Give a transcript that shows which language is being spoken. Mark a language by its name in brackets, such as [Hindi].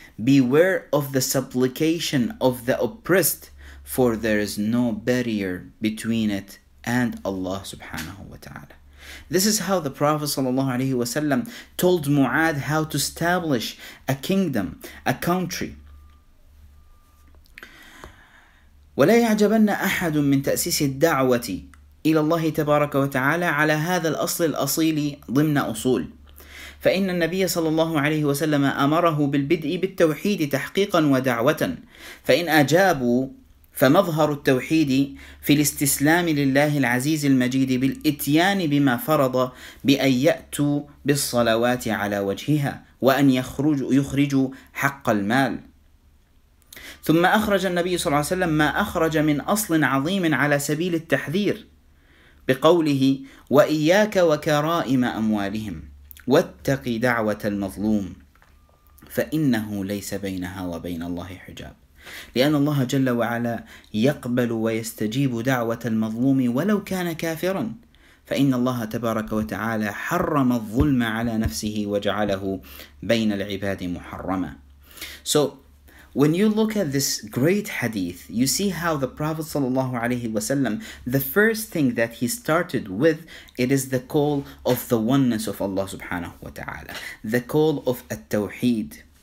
[English] Beware of the supplication of the oppressed, for there is no barrier between it and Allah subhanahu wa ta'ala. This is how the Prophet sallallahu alaihi wasallam told Mu'adh how to establish a kingdom, a country. [Arabic] ولا يعجبن أحد من تأسيس الدعوة إلى الله تبارك وتعالى على هذا الأصل الأصيل ضمن أصول. فإن النبي صلى الله عليه وسلم أمره بالبدء بالتوحيد تحقيقا ودعوة. فإن أجابوا فمظهر التوحيد في الاستسلام لله العزيز المجيد بالإتيان بما فرض بأن يأتوا بالصلوات على وجهها وأن يخرجوا حق المال. ثم أخرج النبي صلى الله عليه وسلم ما أخرج من أصل عظيم على سبيل التحذير بقوله وإياك وكرائم أموالهم واتق دعوة المظلوم فإنه ليس بينها وبين الله حجاب. لأن الله جل وعلا يقبل ويستجيب دعوة المظلوم ولو كان كافرا, فإن الله تبارك وتعالى حرم الظلم على نفسه وجعله بين العباد محرما. [English] So when you look at this great hadith, you see how the Prophet sallallahu alaihi wasallam, the first thing that he started with, it is the call of the oneness of Allah subhanahu wa ta'ala, the call of at-tawheed.